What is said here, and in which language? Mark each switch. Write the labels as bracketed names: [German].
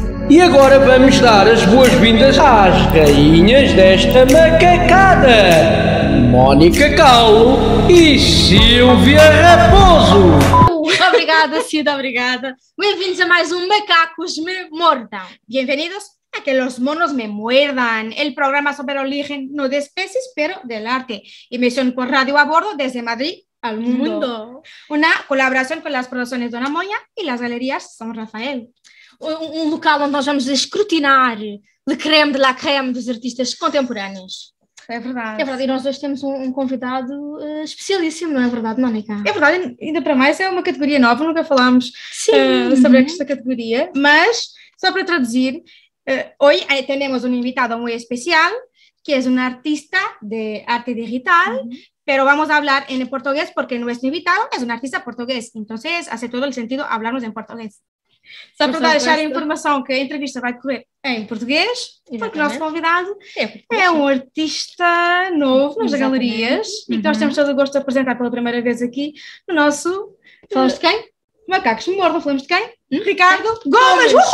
[Portuguese] E agora vamos dar as boas-vindas às rainhas desta macacada, Mónica Calo e Silvia Raposo. Obrigada, Cida, obrigada. Bem-vindos a mais um Macacos Me Mordam. [Spanish] Bem-vindos a Que Los Monos Me Muerdan, el programa sobre el origen no de especies, pero del arte. Emisión por radio a bordo desde Madrid al mundo. Una colaboración con las producciones Dona Moña y las galerías San Rafael. [Portuguese] Um local onde nós vamos escrutinar le creme de la creme dos artistas contemporâneos. É verdade. É verdade. E nós hoje temos um convidado especialíssimo, não é verdade, Mónica? É verdade. Ainda para mais, é uma categoria nova. Nunca falámos sobre esta categoria. Mas, só para traduzir, hoje temos um invitado muito especial, que é um artista de arte digital. Uh-huh. [Spanish] Pero vamos a hablar en portugués, porque nuestro invitado es un artista portugués. Entonces, hace todo el sentido hablarnos en portugués. [Portuguese] Só para deixar a informação que a entrevista vai correr em português, porque o nosso convidado é um artista novo nas galerias e que nós temos todo o gosto de apresentar pela primeira vez aqui no nosso... Falamos de quem? Macacos me Mordam. Falamos de quem? Ricardo Gomes!